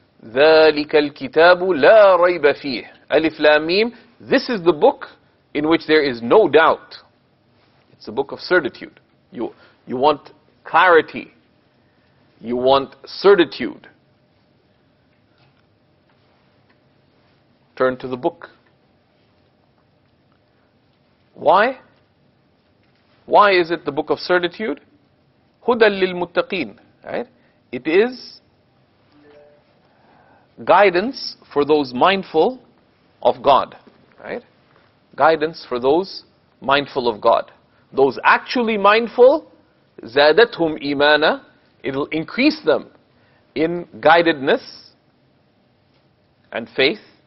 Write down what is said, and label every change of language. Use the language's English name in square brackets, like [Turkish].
[Arabic] ذَلِكَ الْكِتَابُ لَا رَيْبَ فِيهِ Alif Lam Mim. [English] This is the book in which there is no doubt. It's a book of certitude. You want clarity. You want certitude. Turn to the book. Why? Why is it the book of certitude? [Arabic] هُدَى لِلْمُتَّقِينَ Right? [English] It is guidance for those mindful of God. Right? Guidance for those mindful of God. Those actually mindful, [Arabic] زَادَتْهُمْ إِيمَانًا [English] It'll increase them in guidedness and faith.